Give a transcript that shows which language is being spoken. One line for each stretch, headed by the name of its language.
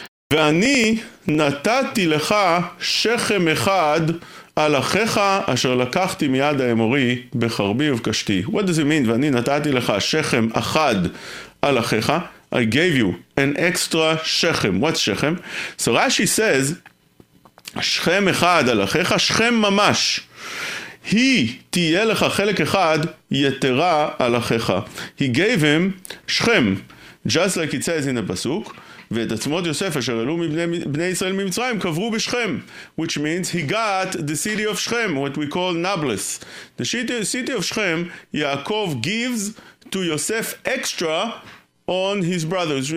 Hebrew: Ve'ani natati lecha shechem echad, על אחיך אשר לקחתי מיד האמורי בחרבי ובקשתי.
English: What does it mean?
Hebrew: ואני נתתי לך שכם אחד על אחיך.
English: I gave you an extra שכם. What's שכם? So Rashi says,
Hebrew: שכם אחד על אחיך, שכם ממש. היא תהיה לך חלק אחד יתרה על אחיך.
English: He gave him שכם. Just like it says in the פסוק.
Hebrew: ואת עצמות יוסף אשר עלו מבני ישראל ממצרים קברו בשכם,
English: which means he got the city of Shechem, what we call Nablus. The city of Shechem, Yaakov gives to Yosef extra on his brothers.